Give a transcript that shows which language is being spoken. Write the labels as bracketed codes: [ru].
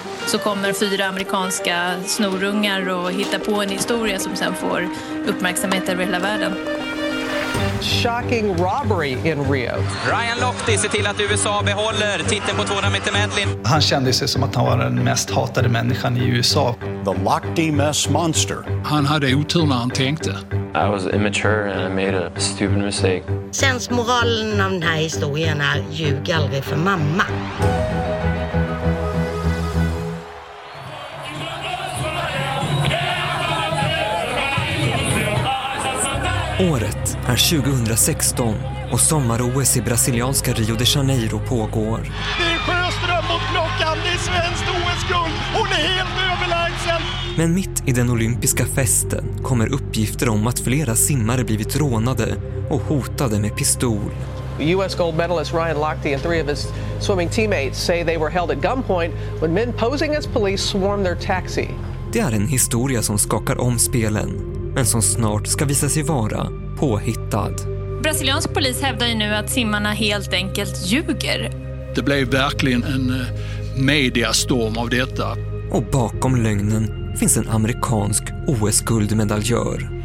[sv] Så kommer fyra amerikanska snorungar och hittar på en historia som sen får uppmärksamhet över hela världen. [en] Shocking robbery in Rio. [sv] Ryan Lochte ser till att USA behåller titeln på 200 meter medley. Han kände sig som att han var den mest hatade människan i USA. [en] The Lochte Mess Monster. [sv] Han hade otur när han tänkte. [en] I was immature and I made a stupid mistake. [sv] Sens moralen av den här historien är ljug aldrig för mamma. Året är 2016 och sommar-OS i brasilianska Rio de Janeiro pågår. Det är Sjöström mot klockan, det är svenskt OS-guld. Hon är helt överlägsen. Men mitt i den olympiska festen kommer uppgifter om att flera simmare blivit rånade och hotade med pistol. [en] US gold medalist Ryan Lochte and three of his swimming teammates say they were held at gunpoint when men posing as police swarmed their taxi. [sv] Det är en historia som skakar om spelen, men som snart ska visa sig vara påhittad. Brasiliansk polis hävdar ju nu att simmarna helt enkelt ljuger. Det blev verkligen en mediastorm av detta. Och bakom lögnen finns en amerikansk OS-guldmedaljör.